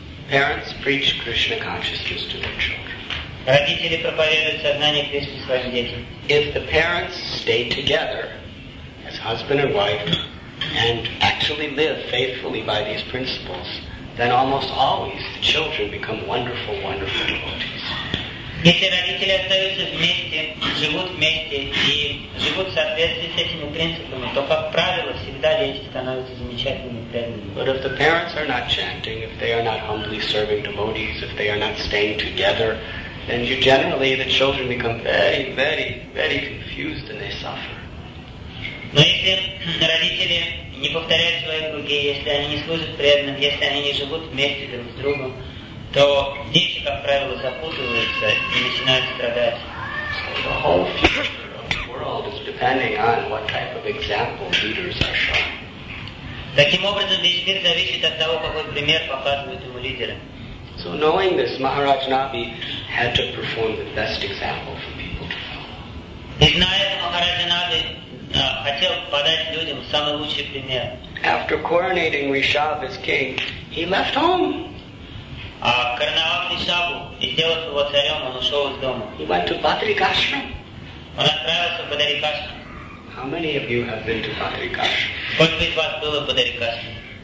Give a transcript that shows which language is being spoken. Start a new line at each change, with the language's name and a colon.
English: Parents preach Krishna consciousness to their children.
Russian: Родители проповедуют сознание Кришны своим детям.
English: If the parents stay together as husband and wife and actually live faithfully by these principles, then almost always the children become wonderful, wonderful devotees.
Russian: Если родители остаются вместе, живут вместе и живут в соответствии с этими принципами, то, как правило, всегда дети становятся замечательными преданными.
English: But if the parents are not chanting, if they are not humbly serving devotees, if they are not staying together, then you generally, the children become very, very, very confused and they suffer.
Russian: Но если родители не повторяют свои круги, если они не служат преданным, если они не живут вместе друг с другом, то дети, как правило, запутываются и начинают страдать.
English: So the whole future of the world is depending on what type of example leaders are showing.
Russian: Таким образом, весь мир зависит от того, какой пример показывают ему лидеры.
English: So knowing this, Maharaj Nabi had to perform the best example for people to follow.
Russian: И зная это, Махарадж Наби хотел подать людям самый лучший пример.
English: After coronating Rishabh as king, he left home.
Russian: А короновав Ришабху и сделав его царем, он ушел из дома.
English: He went to Bhadrikashram.
Russian: Он отправился в Бадрикашрам.
English: How many of you have been to Bhadrikashram?
Russian: Сколько из вас было в Бадрикашрам?